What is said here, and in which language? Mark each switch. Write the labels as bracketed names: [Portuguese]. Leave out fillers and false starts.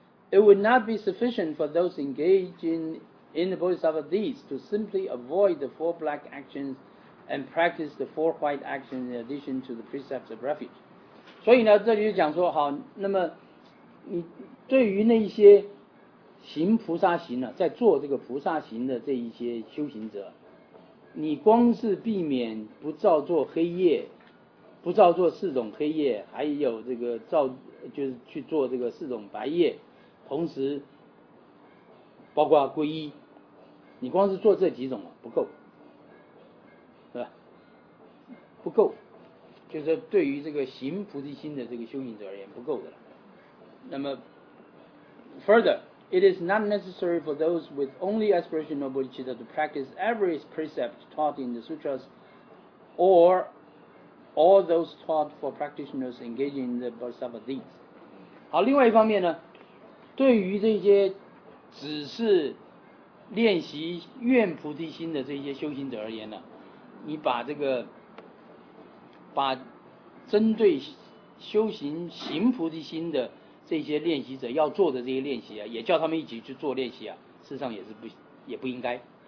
[English] It would not be sufficient for those engaging in the bodhisattva deeds to simply avoid the four black actions。 And practice the four white actions in addition to the precepts of refuge. [Chinese] 所以呢，这里就讲说，好，那么你对于那一些行菩萨行呢、啊，在做这个菩萨行的这一些修行者，你光是避免不造作黑夜，不造作四种黑夜，还有这个造就是去做这个四种白夜，同时包括皈依，你光是做这几种、啊、不够。不够，就是对于这个行菩提心的这个修行者而言不够的了。那么 [English] ，further， it is not necessary for those with only aspirational bodhicitta to practice every precept taught in the sutras, or all those taught for practitioners engaging in the bodhisattva deeds。 [Chinese] 好，另外一方面呢，对于这些只是练习愿菩提心的这些修行者而言呢，你把这个把针对修行行菩提心的这些练习者要做的这些练习啊，也叫他们一起去做练习啊，事实上也是不应该。